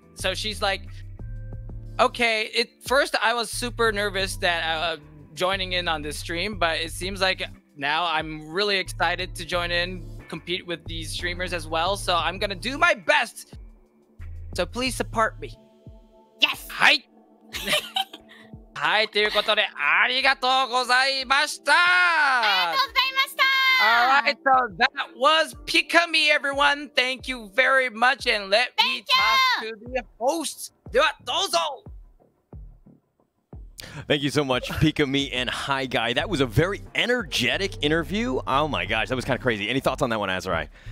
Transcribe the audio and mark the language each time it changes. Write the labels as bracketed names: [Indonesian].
[English] So she's like, okay, it first I was super nervous thatjoining in on this stream, but it seems like now I'm really excited to join in, compete with these streamers as well, so I'm gonna do my best, so please support me. Yes! [Japanese] はい、はい、ということでありがとうございました。ありがとうございました。 [English] Alright, so that was Pikami, everyone. Thank you very much, and let me talk to the host. [Japanese] ではどうぞ。 [English] Thank you so much, Pikami and Hi Guy. That was a very energetic interview. Oh my gosh, that was kind of crazy. Any thoughts on that one, Azurai?